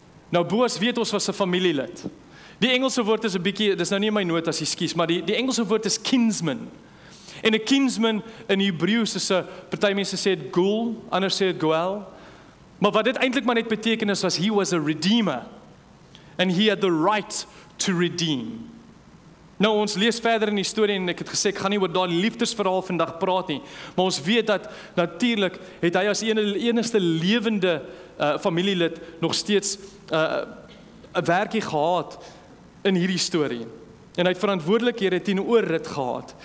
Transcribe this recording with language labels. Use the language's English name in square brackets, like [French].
[Afrikaans] Nou, Boas, weet ons, was 'n familielid. Die Engelse woord is 'n bietjie, dis nou nie in my notas, ekskuus, maar die Engelse woord is kinsman. En 'n kinsman in Hebreeus is 'n, party mense sê het ghoul, ander sê het goel. Maar wat dit eintlik maar net beteken is, was [English] he was a redeemer. And he had the right to redeem. [Afrikaans] Nou, ons lees verder in die story en ek het gesê, ek gaan nie oor daai liefdesverhaal vandag praat nie. Maar ons weet dat, natuurlik, het hy as enigste levende familielid nog steeds 'n werkie gehad in hierdie story. En hy het verantwoordelikhede teenoor Rut gehad.